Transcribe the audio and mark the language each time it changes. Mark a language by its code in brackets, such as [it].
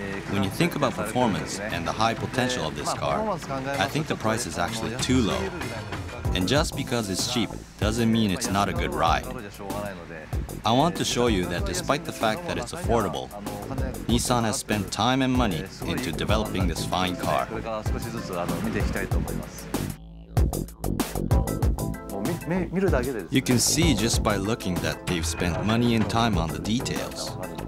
[en] When you think about performance and the high potential of this car, I think the price is actually too low. And just because it's cheap doesn't mean it's not a good ride. I want to show you that despite the fact that it's affordable,Nissan has spent time and money into developing this fine car. [ja] これから少しずつ見ていきたいと思います。見るだけでですね。 [en] You can see just by looking that they've spent money and time on the details.